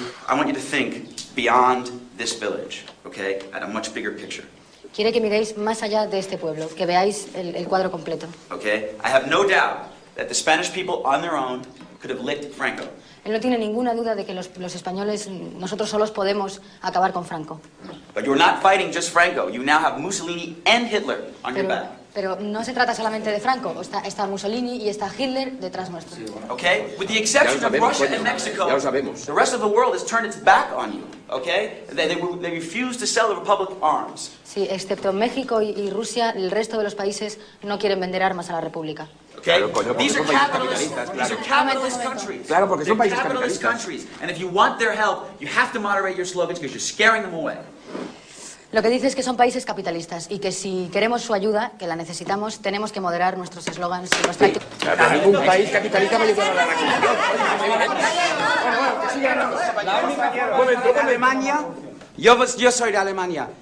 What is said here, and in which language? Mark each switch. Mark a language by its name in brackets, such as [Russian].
[English] I want you to think beyond this village, okay? At a much bigger picture. [Spanish] Quiere que miréis más allá de este pueblo, que veáis el cuadro completo. [English] Okay. I have no doubt that the Spanish people on their own could have licked Franco. [Spanish] Él no tiene ninguna duda de que los españoles, nosotros solos podemos acabar con Franco. [English] But you're not fighting just Franco. You now have Mussolini and Hitler on your back. [Spanish] Pero no se trata solamente de Franco. Está Mussolini y está Hitler detrás nuestro. [English] Okay? With the exception [Spanish] sabemos, [English] of Russia and Mexico, [Spanish] ya lo sabemos. [English] The rest of the world has turned its back on you. Okay? They refuse to sell the Republic arms. [Spanish] Sí, excepto México y Rusia, el resto de los países no quieren vender armas a la República. Okay? Claro, coño, porque son países capitalistas. Claro. [English] These are capitalist countries. [Spanish] Claro, porque son países capitalistas. [English] And if you want their help, you have to moderate your slogans because you're scaring them away. [Spanish] Lo que dice es que son países capitalistas y que si queremos su ayuda, que la necesitamos, tenemos que moderar nuestros eslogans y nuestra actitud. Sí, claro, ningún país capitalista va a ayudar a la revolución. Bueno, que sigan. Alemania. Yo soy de Alemania.